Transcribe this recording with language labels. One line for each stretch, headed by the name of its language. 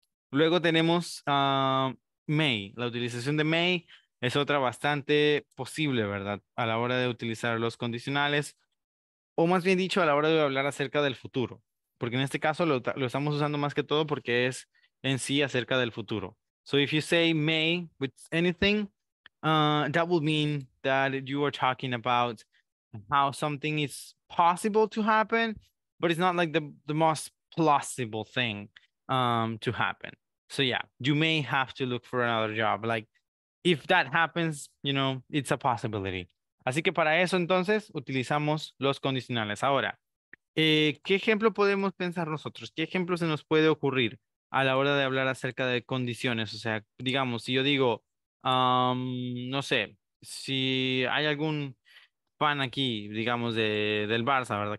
Spanish: Luego tenemos may. La utilización de may es otra bastante posible, ¿verdad?, a la hora de utilizar los condicionales, o más bien dicho, a la hora de hablar acerca del futuro. Porque en este caso lo estamos usando más que todo porque es en sí acerca del futuro.
English: So if you say may with anything, that would mean that you are talking about how something is possible to happen, but it's not like the most plausible thing to happen. So yeah, you may have to look for another job. Like, if that happens, you know, it's a possibility.
Spanish: Así que para eso entonces utilizamos los condicionales. Ahora, ¿qué ejemplo podemos pensar nosotros? ¿Qué ejemplo se nos puede ocurrir a la hora de hablar acerca de condiciones? O sea, digamos, si yo digo, no sé, si hay algún fan aquí, digamos, del Barça, ¿verdad?